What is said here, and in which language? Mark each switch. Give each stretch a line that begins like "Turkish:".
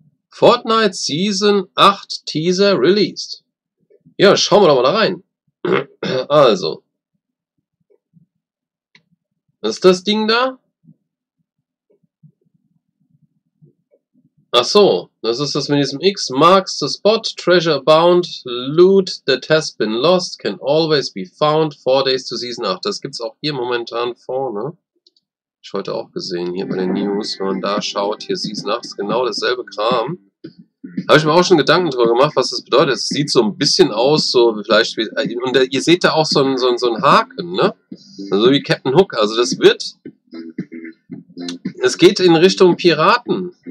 English: Fortnite Season 8 Teaser released.
German: Ja, schauen wir doch mal da rein. Also. Ist das Ding da? Ach so, das ist das mit diesem X.
English: Marks the spot, treasure abound, loot that has been lost, can always be found, 4 days to season 8.
German: Das gibt's auch hier momentan vorne. Ich heute auch gesehen, hier bei den News, wenn man da schaut, hier season 8, ist genau dasselbe Kram. Habe ich mir auch schon Gedanken drüber gemacht, was das bedeutet. Es sieht so ein bisschen aus, so vielleicht wie, und da, ihr seht da auch so einen Haken, ne? Also wie Captain Hook, also das wird, es geht in Richtung Piraten.